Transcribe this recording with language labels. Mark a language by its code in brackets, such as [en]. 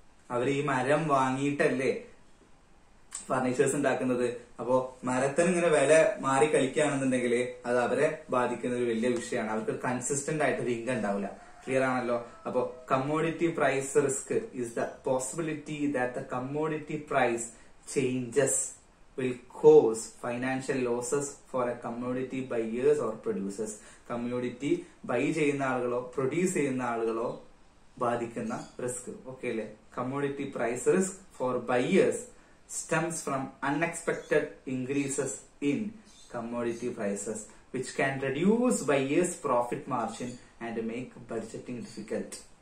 [ml] അവർ ഈ മരം വാങ്ങിയിട്ടല്ലേ ഫർണിച്ചേഴ്സ് ഉണ്ടാക്കുന്നത്. അപ്പോ മരത്തിന് ഇങ്ങനെ വില മാറി കളിക്കുകയാണെന്നുണ്ടെങ്കിൽ അത് അവരെ ബാധിക്കുന്ന ഒരു വലിയ വിഷയമാണ്. അവർക്ക് കൺസിസ്റ്റന്റ് ആയിട്ടൊരു ഇൻകം ഉണ്ടാവില്ല. ക്ലിയർ ആണല്ലോ. അപ്പോ [en] Commodity price risk is the possibility that the commodity price changes will cause financial losses for a commodity buyers or producers. [ml] Commodity buy ചെയ്യുന്ന ആളുകളോ പ്രൊഡ്യൂസ് ചെയ്യുന്ന ആളുകളോ ബാധിക്കുന്ന റിസ്ക്. ഓക്കേ അല്ലേ? [en] Commodity price risk for buyers stems from unexpected increases in commodity prices which can reduce buyers profit margin and make budgeting difficult.